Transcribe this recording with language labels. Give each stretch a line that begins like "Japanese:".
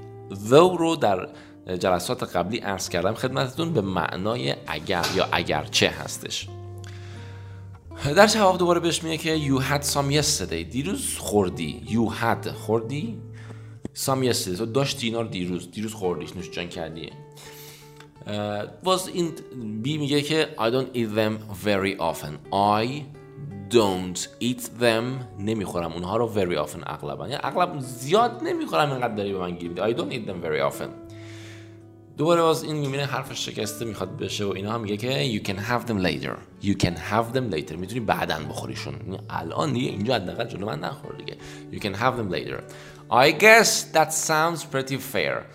Persian: though رو در جلسات قبلی عرض کردم خدمتتون به معنای اگر یا اگرچه هستش. در جواب دوباره بهش میگه که
English: you had some yesterday،
Persian: دیروز خوردی.
English: you had،
Persian: خوردی،
English: some yesterday،
Persian: تو داشتی اینا رو دیروز خوردیش، نوشجان کردی. باز این بی میگه که
English: I don't eat them very often. I don't eat them
Persian: نمیخورم اونها رو
English: very often
Persian: اغلبا یعنی اغلب زیاد نمیخورم اینقدر داری به من گیر میده
English: I don't eat them very often
Persian: دوباره باز این میبینه حرفش شکسته میخواد بشه و اینا هم میگه که
English: you can have them later you can have them later میتونی بعدن بخوریشون الان دیگه اینجا حداقل جلو من نخور دیگه you can have them later I guess that sounds pretty fair